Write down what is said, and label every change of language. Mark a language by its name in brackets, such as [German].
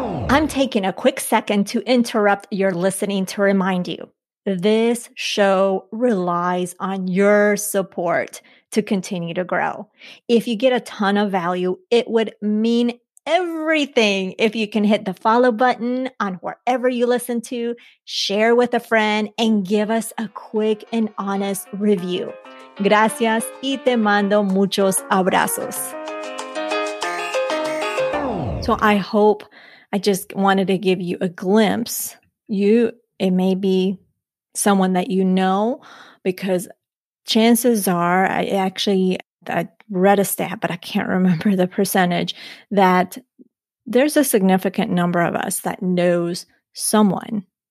[English] I'm taking a quick second to interrupt your listening to remind you, this show relies on your support to continue to grow. If you get a ton of value, it would mean everything if you can hit the follow button on wherever you listen to, share with a friend, and give us a quick and honest review. [Spanish] Gracias y te mando muchos abrazos. [English] So I hope, I just wanted to give you a glimpse. It may be someone that you know, because chances are, I read a stat, but I can't remember the percentage, that there's a significant number of us that knows someone.